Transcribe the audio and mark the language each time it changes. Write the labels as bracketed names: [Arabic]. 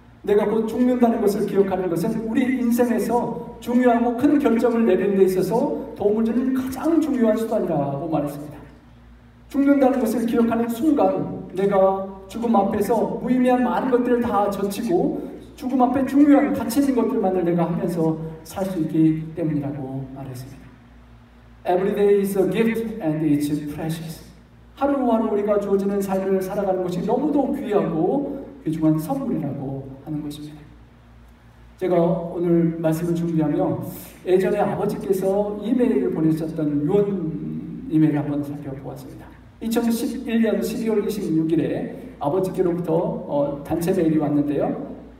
[Korean] 내가 곧 죽는다는 것을 기억하는 것은 우리 인생에서 중요하고 큰 결정을 내리는 데 있어서 도움을 주는 가장 중요한 수단이라고 말했습니다. 죽는다는 것을 기억하는 순간 내가 죽음 앞에서 무의미한 많은 것들을 다 젖히고 죽음 앞에 중요한 가치 있는 것들만을 내가 하면서 살 수 있기 때문이라고 말했습니다. [English] Every day is a gift and it's precious. [Korean] 하루하루 우리가 주어지는 삶을 살아가는 것이 너무도 귀하고 귀중한 선물이라고 하는 것입니다. 제가 오늘 말씀을 준비하며 예전에 아버지께서 이메일을 보내셨던 유언 이메일을 한번 살펴보았습니다. 2011년 12월 26일에 아버지께로부터 단체 메일이 왔는데요.